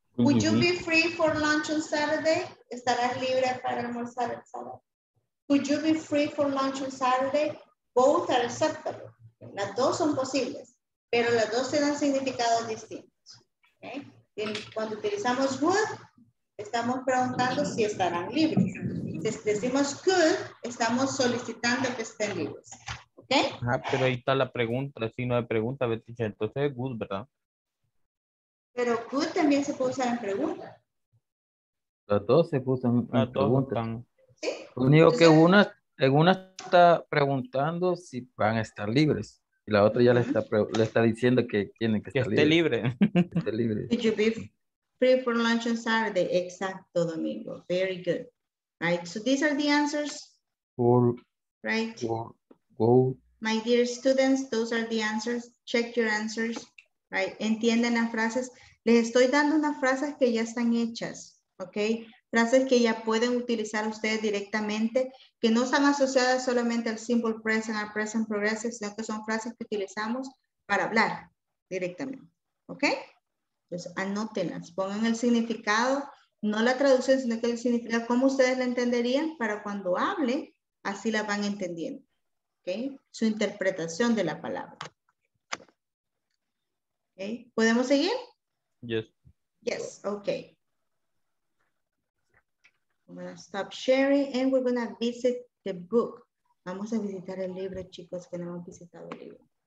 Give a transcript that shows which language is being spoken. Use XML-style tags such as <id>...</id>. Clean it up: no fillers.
<en>Would you be free for lunch on Saturday?</en> <es>¿Estarás libre para almorzar el sábado?</es> <en>Would you be free for lunch on Saturday? Both are acceptable.</en> <es>Las dos son posibles, pero las dos tienen significados distintos. ¿Okay? Cuando utilizamos would, estamos preguntando si estarán libres. Si decimos could, estamos solicitando que estén libres. ¿Okay? Ah, pero ahí está la pregunta, el signo de pregunta, Betty. Entonces es good, ¿verdad? Pero could también se puede usar en pregunta. Las dos se usan en pregunta. ¿Sí? Único que una... En una está preguntando si van a estar libres. Y la otra ya le está diciendo que tienen que estar libres. Libre. Que esté libre.</es> <en>Did you be free for lunch on Saturday? Exacto, Domingo. Very good. Right. So these are the answers. Cool. Right. Cool. My dear students, those are the answers. Check your answers. Right.</en> <es>Entienden las frases. Les estoy dando unas frases que ya están hechas. Okay. Frases que ya pueden utilizar ustedes directamente, que no están asociadas solamente al simple present, al present progressive, sino que son frases que utilizamos para hablar directamente. ¿Ok? Entonces, anótenlas, pongan el significado, no la traducción, sino que el significado, cómo ustedes la entenderían para cuando hablen, así la van entendiendo. ¿Ok? Su interpretación de la palabra. ¿Ok? ¿Podemos seguir?</es> <en>Yes. Yes, ok. I'm going to stop sharing and we're going to visit the book.</en> <es>Vamos a visitar el libro, chicos, que no hemos visitado el libro.</es>